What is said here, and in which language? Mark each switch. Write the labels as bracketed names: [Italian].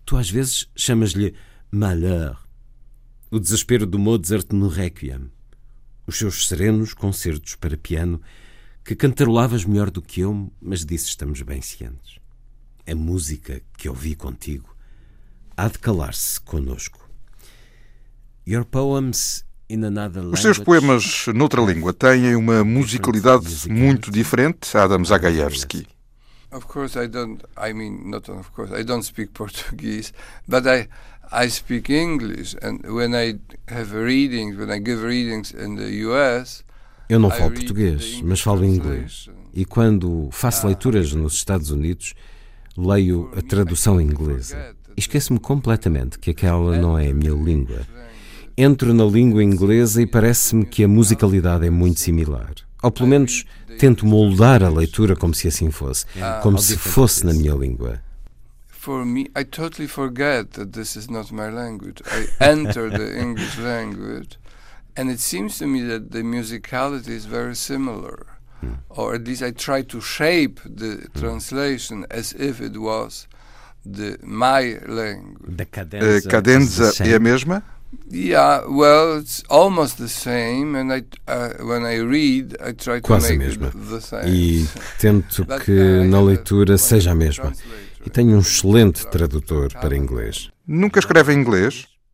[Portuguese] Tu às vezes chamas-lhe Malheur. O desespero do Mozart no Requiem. Os seus serenos concertos para piano, que cantarolavas melhor do que eu, mas disse estamos bem cientes. A música que ouvi contigo há de calar-se connosco. [English] Your poems in another language. [Portuguese] Os seus poemas noutra língua têm uma musicalidade muito diferente, Adam Zagajewski. [English] Of course I don't, not of course, I don't speak Portuguese, but I speak English, and when I have readings, when I give readings in the US, [Portuguese] eu não falo português, mas falo inglês. E quando faço leituras nos Estados Unidos, leio a tradução inglesa. Esqueço-me completamente que aquela não é a minha língua. Entro na língua inglesa e parece-me que a musicalidade é muito similar. Ou pelo menos tento moldar a leitura como se assim fosse, como se fosse na minha língua. [English] For me, I totally forget that this is not my language. I enter the English language, and it seems to me that the musicality is very similar, or at least I try to shape the translation as if it was the my language. The [Portuguese] cadenza é a mesma? [English] Yeah, well, it's almost the same, and I, when I read, I try to [Portuguese] quase [English] make [Portuguese] a mesma. [English] It the same. [Portuguese] E tento que na leitura seja a mesma. E tenho um excelente tradutor para inglês. Nunca escreve em inglês?